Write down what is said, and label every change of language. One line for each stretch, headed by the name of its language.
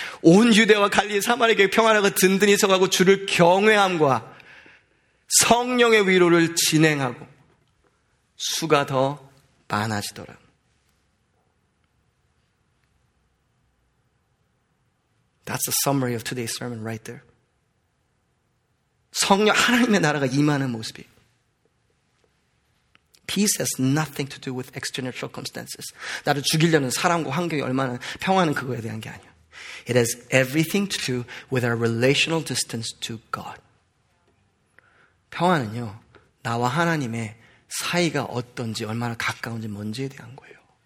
Korean: 온 유대와 갈릴리 사마리아에게 평안하고 든든히 서가고 주를 경외함과 성령의 위로를 진행하고 수가 더 많아지더라.
English: That's the summary of today's sermon right there.
Korean: 성령, 하나님의 나라가 임하는 모습이.
English: Peace has nothing to do with external circumstances.
Korean: 나를 죽이려는 사람과 환경이 얼마나 평화는 그거에 대한 게 아니야.
English: It has everything to do with our relational distance to God.
Korean: 평화는요, 나와 하나님의 사이가 어떤지 얼마나 가까운지 뭔지에 대한 거예요.